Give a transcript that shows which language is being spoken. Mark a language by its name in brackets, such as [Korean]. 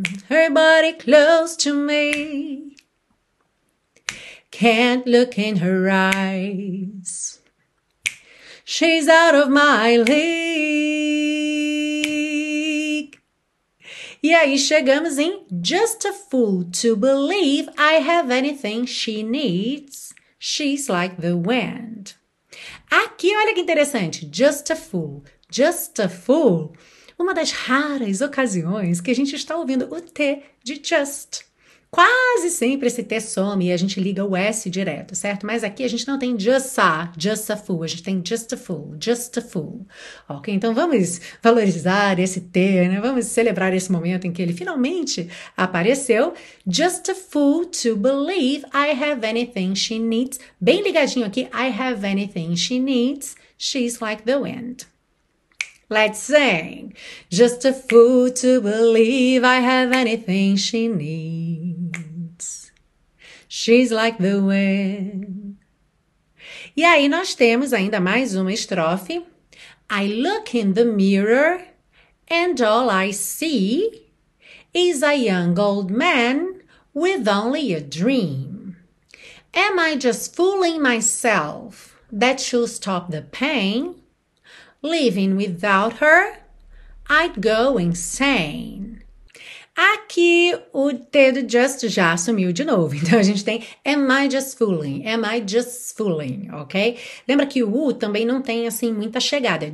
[English] Her body close to me. Can't look in her eyes. She's out of my league. [Portuguese] E aí chegamos em [English] Just a fool to believe I have anything she needs. She's like the wind. [Portuguese] Aqui, olha que interessante. [English] Just a fool. Just a fool. [Portuguese] Uma das raras ocasiões que a gente está ouvindo o T de just. Quase sempre esse T some e a gente liga o S direto, certo? Mas aqui a gente não tem [English] just a fool, [Portuguese] a gente tem [English] just a fool, just a fool. [Portuguese] Ok, então vamos valorizar esse T, né? Vamos celebrar esse momento em que ele finalmente apareceu. [English] Just a fool to believe I have anything she needs. [Portuguese] Bem ligadinho aqui, [English] I have anything she needs. She's like the wind. Let's sing. Just a fool to believe I have anything she needs. She's like the wind. [Portuguese] E aí nós temos ainda mais uma estrofe. [English] I look in the mirror and all I see is a young old man with only a dream. Am I just fooling myself that she'll stop the pain? Living without her, I'd go insane. [Portuguese] Aqui o dedo just já sumiu de novo. Então a gente tem [English] am I just fooling? Am I just fooling? Ok? [Portuguese] Lembra que o também não tem assim muita chegada.